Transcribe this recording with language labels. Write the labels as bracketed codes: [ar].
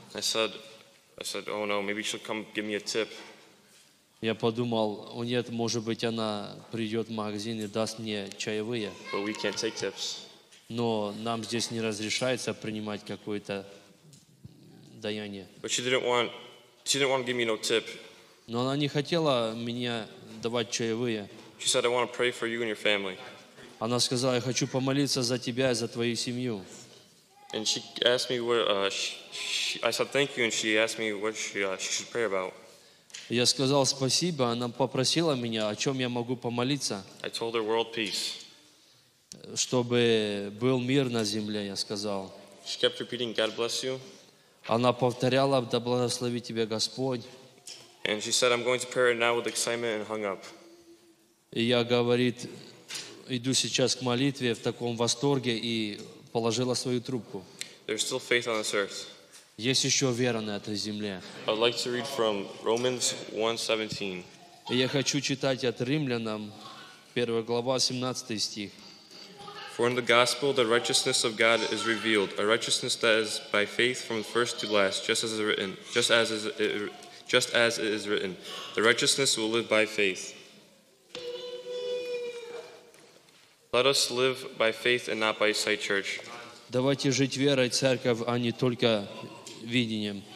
[en] I said, oh no, maybe she'll come give me a tip. [ru] Я подумал, о нет, может быть, она придет в магазин и даст мне чаевые. [en] But we can't take tips. [ru] Но нам здесь не разрешается принимать какое-то даяние. [en] But she didn't want to give me no tip. [ru] Но она не хотела мне давать чаевые. [en] She said, I want to pray for you and your family. [ru] Она сказала, я хочу помолиться за тебя и за твою семью. [en] And she asked me what I said thank you, and she asked me what she should pray about. [ru] Я сказал спасибо, она попросила меня, о чем я могу помолиться. [en] I told her world peace. [ru] Чтобы был мир на земле, я сказал. [en] She kept repeating, God bless you. [ru] Она повторяла, да благослови тебя Господь. [en] And she said, I'm going to pray now with excitement, and hung up. [ru] И я, говорит, иду сейчас к молитве в таком восторге и положила свою трубку. [en] There's still faith on this earth. [ru] Есть еще вера на этой земле. [en] I'd like to read from Romans 1:17. [ru] И я хочу читать от Римлянам, 1 глава, 17 стих. [en] For in the gospel the righteousness of God is revealed, a righteousness that is by faith from first to last, just as it is written, the righteousness will live by faith. Let us live by faith and not by sight, church. [ru] Давайте жить верой, церковь, а не только видением.